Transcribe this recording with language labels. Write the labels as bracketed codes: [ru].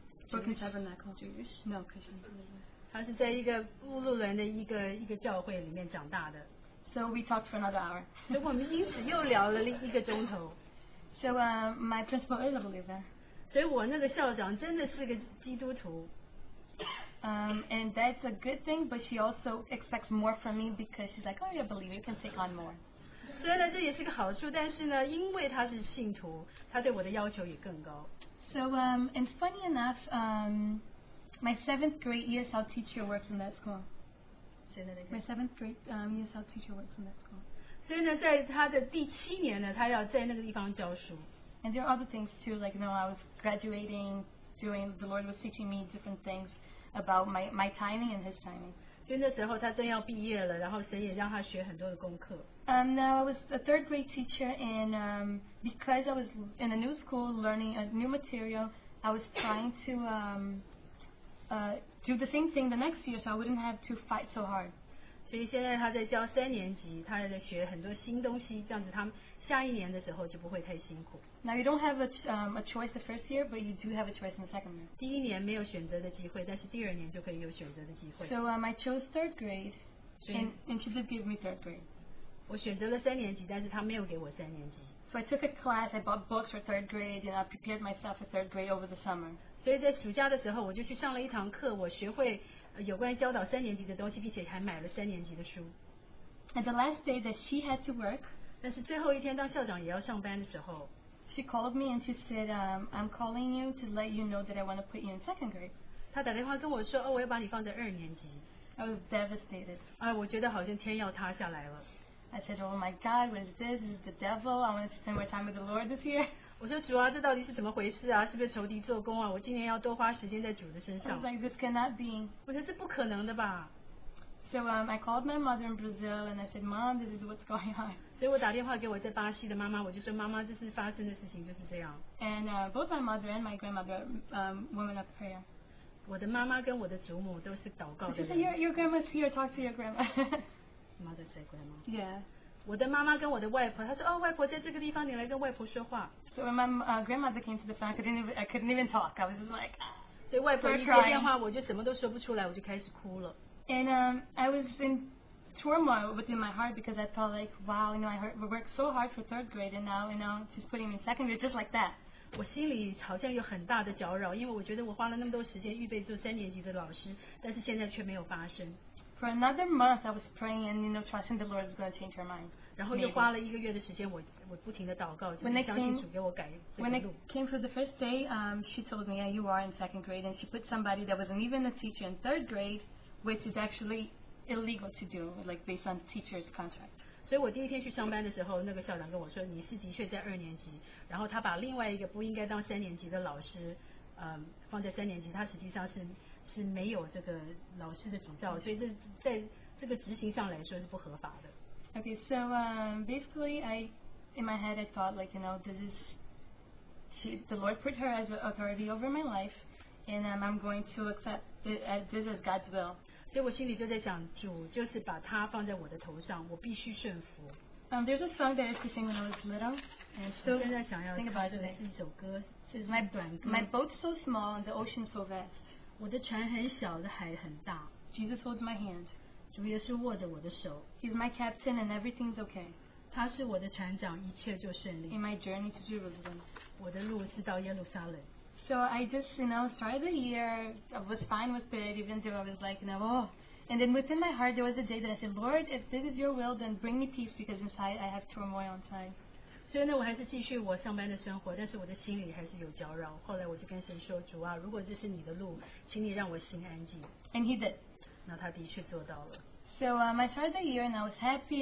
[en] Brooklyn Tabernacle Jewish. No, Christian. [zh] 他是在一个布鲁伦的一个教会里面长大的。 [en] So we talked for another hour. [zh] 所以我们因此又聊了一个钟头。 [en] So my principal is a believer. [zh] 所以我那个校长真的是个基督徒。 [en] And that's a good thing, but she also expects more from me because she's like, oh, you're a believer, you can take on more. [zh] 虽然这也是个好处，但是呢，因为他是信徒，他对我的要求也更高。 [en] So and funny enough, my 7th grade ESL teacher works in that school. My 7th grade ESL teacher works in that school. [zh] 所以呢，在他的第七年呢，他要在那个地方教书。 [en] And there are other things too, like, you know, I was graduating, doing, the Lord was teaching me different things about my timing and his timing. [zh] 所以那时候他正要毕业了，然后神也让他学很多的功课。 [en] Now I was a 3rd grade teacher, and because I was in a new school learning a new material, I was trying to do the same thing the next year, so I wouldn't have to fight so hard. [zh] 所以现在他在教三年级，他在学很多新东西，这样子他们下一年的时候就不会太辛苦。 [en] Now you don't have a choice the first year, but you do have a choice in the second year. [zh] 第一年没有选择的机会，但是第二年就可以有选择的机会。 [en] So I chose third grade, and she did give me third grade. [zh] 我选择了三年级，但是他没有给我三年级。 [en] So I took a class, I bought books for third grade, and I prepared myself for third grade over the summer. [zh] 所以在暑假的时候，我就去上了一堂课，我学会有关教导三年级的东西，并且还买了三年级的书。 [en] And the last day that she had to work, [zh] 但是最后一天当校长也要上班的时候, [en] she called me and she said, I'm calling you to let you know that I want to put you in second grade. [zh] 她打电话跟我说, 哦, 我要把你放在二年级。 [en] I was devastated. [zh] 哎, 我觉得好像天要塌下来了。 [en] I said, oh my God, what is this? This is the devil. I want to spend more time with the Lord this year. [zh] 我说主啊, 这到底是怎么回事啊?是不是仇敌做工啊?我今年要多花时间在主的身上。 [en] I was like, this cannot be. [zh] 我说这不可能的吧。 [en] So I called my mother in Brazil and I said, Mom, this is what's going on. [zh] 所以我打电话给我在巴西的妈妈, 我就说, 妈妈, 这是发生的事情就是这样。 [en] And both my mother and my grandmother are women of prayer. [zh] 我的妈妈跟我的祖母都是祷告的人。 [en] She said, your grandma's here, talk to your grandma. Mother said, grandma. Yeah. [zh] 我的妈妈跟我的外婆, 她说, 哦, 外婆在这个地方, 你来跟外婆说话。 [en] So when my grandmother came to the phone, I couldn't even talk. I was just like, ah. [zh] 所以外婆一接电话, 我就什么都说不出来, 我就开始哭了。 [en] And I was in turmoil within my heart because I felt like, wow, you know, we worked so hard for third grade and now, you know, she's putting me in second grade just like that. [zh] 我心里好像有很大的搅扰, 因为我觉得我花了那么多时间预备做三年级的老师, 但是现在却没有发生。 [en] For another month, I was praying and, you know, trusting the Lord is going to change her mind. [zh] 然后又花了一个月的时间, 我不停地祷告, 就是相信主给我改, [en] when I came for the first day, she told me, yeah, you are in second grade, and she put somebody that wasn't even a teacher in third grade, which is actually illegal to do, like based on teacher's contract. [zh] 所以我第一天去上班的时候, 那个校长跟我说, 你是的确在二年级, 然后他把另外一个不应该当三年级的老师, 放在三年级, 他实际上是, 是没有这个老师的执照, 所以这在这个执行上来说是不合法的。 [en] Okay, so basically, in my head, I thought, like, you know, this is, the Lord put her as an authority over my life, and I'm going to accept this as God's will. [zh] 所以我心里就在想, 主就是把他放在我的头上, 我必须顺服。 [en] There's a song that I used to sing when I was little, and still think about it. [zh] 是一首歌, [en] my boat's so small and the ocean so vast. [zh] 我的船很小, 海很大, [en] Jesus holds my hand. [zh] 主耶稣握着我的手, [en] He's my captain and everything's okay. [zh] 他是我的船长, 一切就顺利, [en] in my journey to Jerusalem. [zh] 我的路是到耶路撒冷。 [en] So I just, you know, started the year, I was fine with it, even though I was like, you know, oh. And then within my heart, there was a day that I said, Lord, if this is your will, then bring me peace, because inside I have turmoil on time. So then, [zh] 我还是继续我上班的生活, 但是我的心里还是有搅扰, 后来我就跟神说, 主啊, 如果这是你的路, 请你让我心安静。 [en] And he did. [zh] 那他的确做到了。 [en] So I started the year and I was happy.